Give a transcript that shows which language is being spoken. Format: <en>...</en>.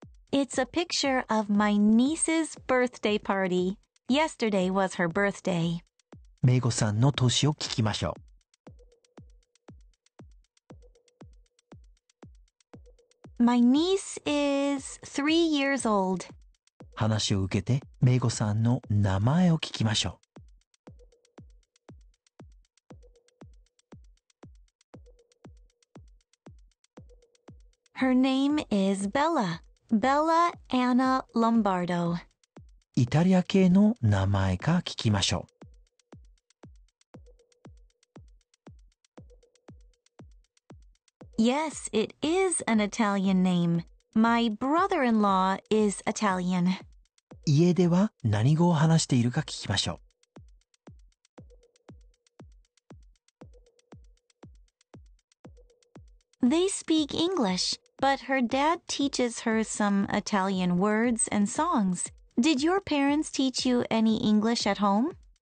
<en>It's a picture of my niece's birthday party. Yesterday was her birthday.</en> <ja>めいこさんの年を聞きましょう。</ja> <en>My niece is 3 years old.</en> <ja>話を受けてめいこさんの名前を聞きましょう。</ja> <en>Her name is Bella. Bella Anna Lombardo.</en> <ja>イタリア系の名前か聞きましょう。</ja> <en>Yes, it is an Italian name. My brother-in-law is Italian.</en> <ja>家では何語を話しているか聞きましょう。</ja> <en>They speak English. But her dad teaches her some Italian words and songs. Did your parents teach you any English at home?</en>